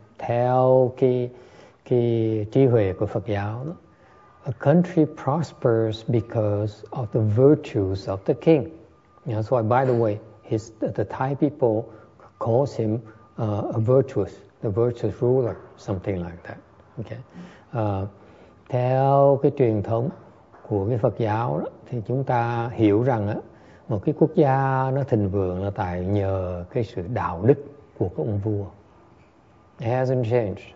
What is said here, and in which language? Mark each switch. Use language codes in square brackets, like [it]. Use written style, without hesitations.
[vi] Theo cái trí huệ của Phật giáo, đó. [en] A country prospers because of the virtues of the king. You know, so by the way, the Thai people calls him the virtuous ruler, something like that. Okay. [vi] Theo cái truyền thống của cái Phật giáo đó, thì chúng ta hiểu rằng á, một cái quốc gia nó thịnh vượng là tại nhờ cái sự đạo đức của các ông vua. [en] It hasn't changed.